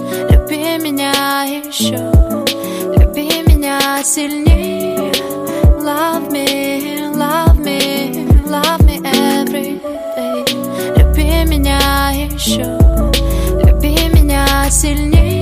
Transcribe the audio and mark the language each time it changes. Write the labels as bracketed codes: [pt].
[ru] Люби меня еще, люби меня сильнее. [en] Love me, love me, love me every day. [ru] Люби меня еще, люби меня сильнее.